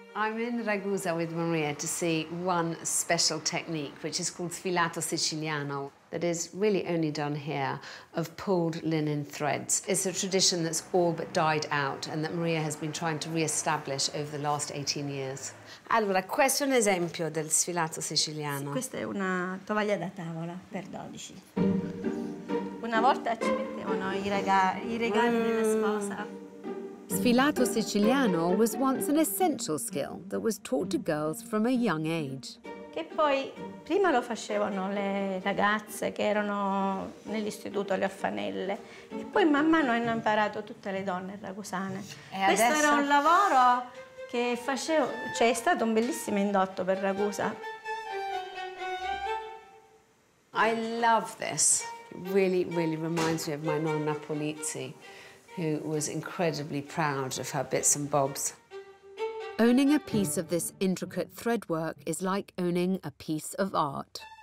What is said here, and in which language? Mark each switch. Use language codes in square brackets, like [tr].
[en] I'm in Ragusa with Maria to see one special technique, which is called sfilato siciliano, that is really only done here, of pulled linen threads. It's a tradition that's all but died out and that Maria has been trying to re-establish over the last 18 years. [it] Allora, questo è un esempio del sfilato siciliano. Sì, questa è una tovaglia da tavola per 12. Una volta ci mettevano i regali della sposa. [en] Sfilato siciliano was once an essential skill that was taught to girls from a young age. [it] Che poi prima lo facevano le ragazze che erano nell'istituto alle orfanelle e poi man mano hanno imparato tutte le donne ragusane. Questo adesso... era un lavoro che facevo, cioè è stato un bellissimo indotto per Ragusa. [en] I love this. Really, really reminds me of my nonna Polizzi, who was incredibly proud of her bits and bobs. Owning a piece of this intricate threadwork is like owning a piece of art.